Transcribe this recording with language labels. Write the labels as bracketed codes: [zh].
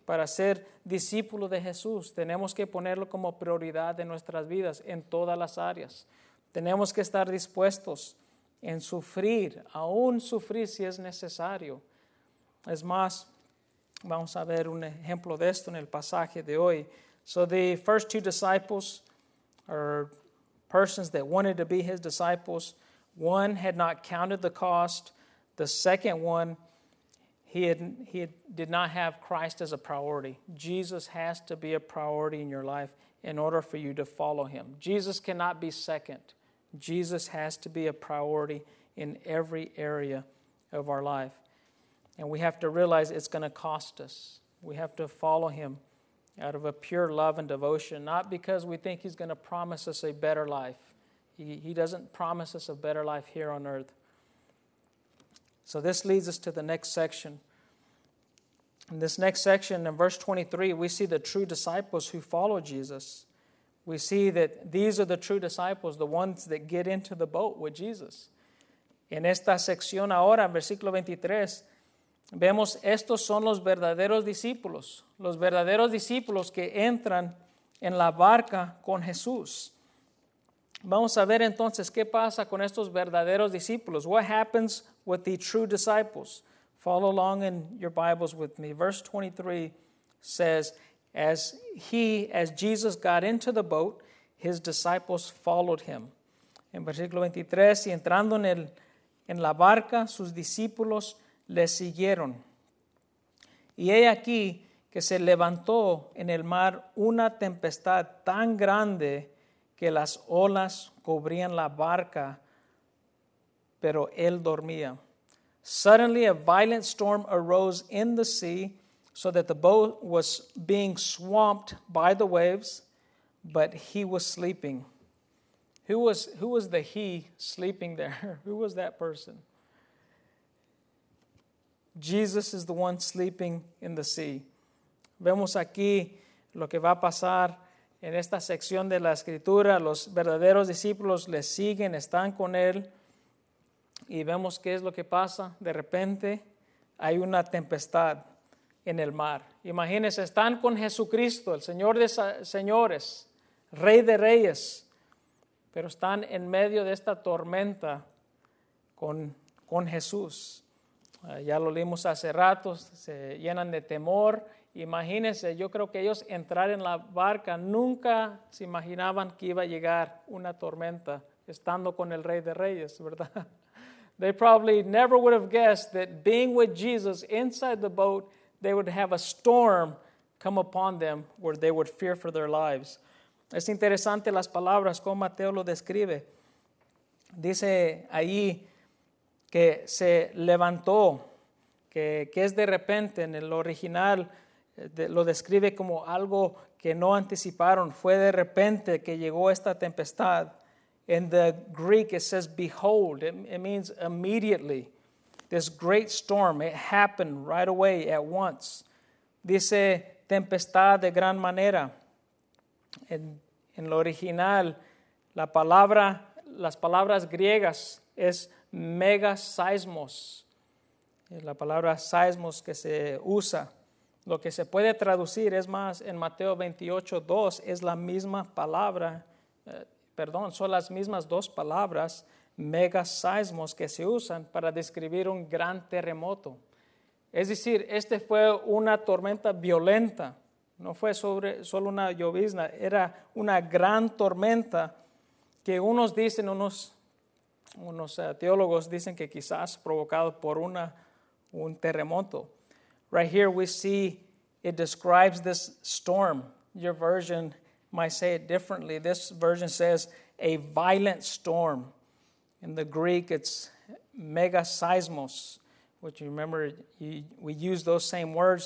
[es] Para ser discípulo de Jesús, tenemos que ponerlo como prioridad en nuestras vidas, en todas las áreas. Tenemos que estar dispuestos en sufrir, aún sufrir si es necesario. Es más, vamos a ver un ejemplo de esto en el pasaje de hoy. [en] So the first two disciples, or persons that wanted to be his disciples, one had not counted the cost. The second one, he did not have Christ as a priority. Jesus has to be a priority in your life in order for you to follow him. Jesus cannot be second. Jesus has to be a priority in every area of our life. And we have to realize it's going to cost us. We have to follow him out of a pure love and devotion, not because we think he's going to promise us a better life. He doesn't promise us a better life here on earth. So this leads us to the next section. In this next section, in verse 23, we see the true disciples who follow Jesus. We see that these are the true disciples, the ones that get into the boat with Jesus. [es] En esta sección ahora, en versículo 23, vemos estos son los verdaderos discípulos. Los verdaderos discípulos que entran en la barca con Jesús. Vamos a ver entonces qué pasa con estos verdaderos discípulos. [en] What happens with the true disciples? Follow along in your Bibles with me. Verse 23 says, as Jesus got into the boat, his disciples followed him. [es] En versículo 23, y entrando en la barca, sus discípulos le siguieron. Y he aquí que se levantó en el mar una tempestad tan grande que las olas cubrían la barca, pero él dormía. [en] Suddenly a violent storm arose in the sea, so that the boat was being swamped by the waves, but he was sleeping. Who was the he sleeping there? Who was that person? Jesus is the one sleeping in the sea. [es] Vemos aquí lo que va a pasar. En esta sección de la escritura, los verdaderos discípulos le siguen, están con él. Y vemos qué es lo que pasa. De repente, hay una tempestad en el mar. Imagínense, están con Jesucristo, el Señor de señores, Rey de reyes. Pero están en medio de esta tormenta con Jesús. Ya lo leímos hace rato, se llenan de temor. Imagínense, yo creo que ellos entrar en la barca, nunca se imaginaban que iba a llegar una tormenta estando con el Rey de Reyes, ¿verdad? [en] They probably never would have guessed that being with Jesus inside the boat, they would have a storm come upon them where they would fear for their lives. [es] Es interesante las palabras como Mateo lo describe. Dice ahí que se levantó, que es de repente en el original. Lo describe como algo que no anticiparon. Fue de repente que llegó esta tempestad. [en] In the Greek, it says, behold. It means immediately. This great storm, it happened right away, at once. [es] Dice, tempestad de gran manera. En lo original, las palabras griegas es megaseismos. La palabra seismos que se usa. Lo que se puede traducir, es más, en Mateo 28, 2, es la misma palabra, son las mismas dos palabras, megaseismos, que se usan para describir un gran terremoto. Es decir, este fue una tormenta violenta, No fue sobre solo una llovizna, era una gran tormenta que unos dicen, unos teólogos dicen que quizás provocado por un terremoto. [en] Right here we see it describes this storm. Your version might say it differently. This version says a violent storm. In the Greek, it's megaseismos, which you remember, we use those same words.